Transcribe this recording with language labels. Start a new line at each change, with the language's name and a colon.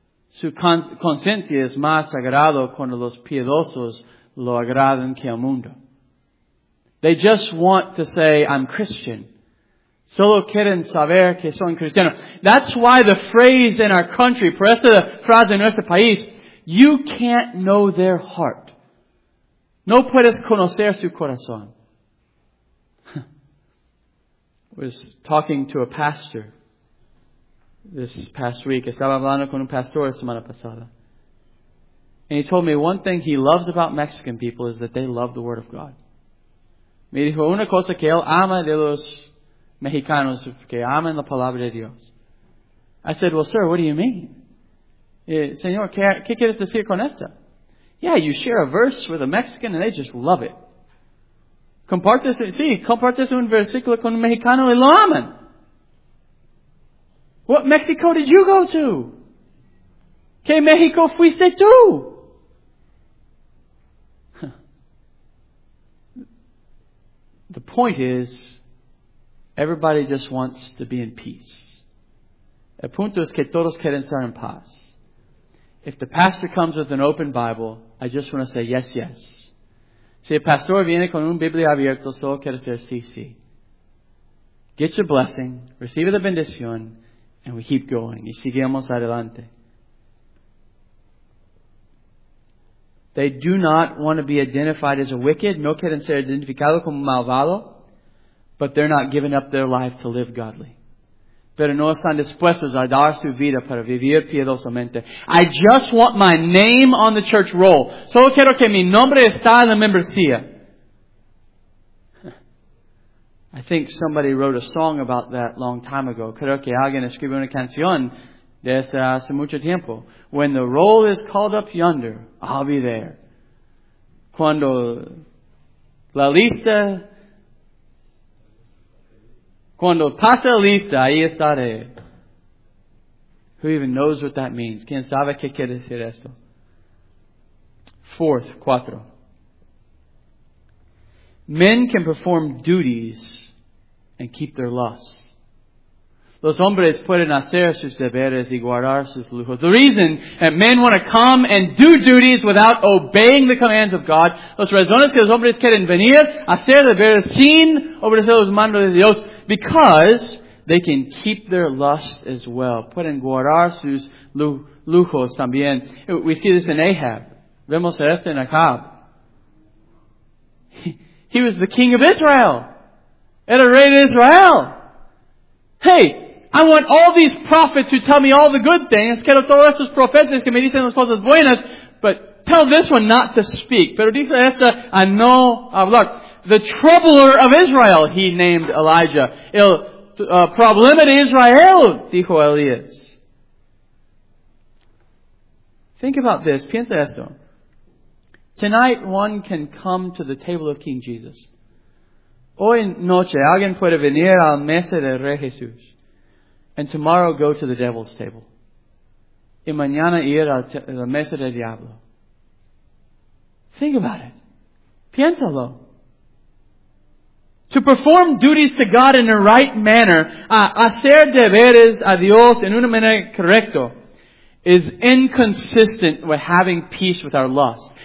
Spanish: Su conciencia es más sagrado cuando los piedosos lo agradan que el mundo.
English: They just want to say, I'm Christian.
Spanish: Solo quieren saber que son cristianos.
English: That's why the phrase in our country,
Spanish: por eso la frase en nuestro país,
English: you can't know their heart.
Spanish: No puedes conocer su corazón.
English: I was talking to a pastor. This past week,
Spanish: estaba hablando con un pastor la semana pasada.
English: And he told me one thing he loves about Mexican people is that they love the Word of God.
Spanish: Me dijo una cosa que él ama de los mexicanos, que aman la palabra de Dios.
English: I said, well, sir, what do you mean?
Spanish: Señor, ¿qué quieres decir con esto?
English: Yeah, you share a verse with a Mexican and they just love it.
Spanish: Compartes un versículo con un mexicano y lo aman.
English: What Mexico did you go to?
Spanish: ¿Qué México fuiste tú?
English: The point is, everybody just wants to be in peace.
Spanish: El punto es que todos quieren estar en paz.
English: If the pastor comes with an open Bible, I just want to say yes, yes.
Spanish: Si el pastor viene con un Biblia abierto, solo quiero decir sí, sí.
English: Get your blessing,
Spanish: recibe la bendición,
English: and we keep going.
Spanish: Y seguimos adelante.
English: They do not want to be identified as a wicked.
Spanish: No quieren ser identificado como malvado.
English: But they're not giving up their life to live godly.
Spanish: Pero no están dispuestos a dar su vida para vivir piedosamente.
English: I just want my name on the church roll.
Spanish: Solo quiero que mi nombre está en la membresía.
English: I think somebody wrote a song about that long time ago.
Spanish: Creo que alguien escribió una canción desde hace mucho tiempo.
English: When the roll is called up yonder, I'll be there.
Spanish: Cuando la lista... Cuando pase la lista, ahí estaré.
English: Who even knows what that means?
Spanish: ¿Quién sabe qué quiere decir esto?
English: Fourth,
Spanish: cuatro.
English: Men can perform duties and keep their lusts.
Spanish: Los hombres pueden hacer sus deberes y guardar sus lujos.
English: The reason that men want to come and do duties without obeying the commands of God,
Spanish: los razones que los hombres quieren venir a hacer deberes sin obedecer los mandos de Dios,
English: because they can keep their lust as well.
Spanish: Pueden guardar sus lujos también.
English: We see this in Ahab.
Spanish: Vemos esto en Ahab.
English: He was the king of Israel.
Spanish: Era rey de Israel.
English: Hey, I want all these prophets who tell me all the good things.
Spanish: Quiero todos estos profetas que me dicen las cosas buenas.
English: But tell this one not to speak.
Spanish: Pero dice esta a no hablar.
English: The troubler of Israel, he named Elijah.
Spanish: El problema de Israel, dijo Elías.
English: Think about this.
Spanish: Piensa esto.
English: Tonight, one can come to the table of King Jesus.
Spanish: Hoy noche, alguien puede venir a la mesa del Rey Jesús.
English: And tomorrow, go to the devil's table.
Spanish: Y mañana, ir a la mesa del diablo.
English: Think about it.
Spanish: Piénsalo.
English: To perform duties to God in the right manner,
Spanish: a hacer deberes a Dios en una manera correcta,
English: is inconsistent with having peace with our lust.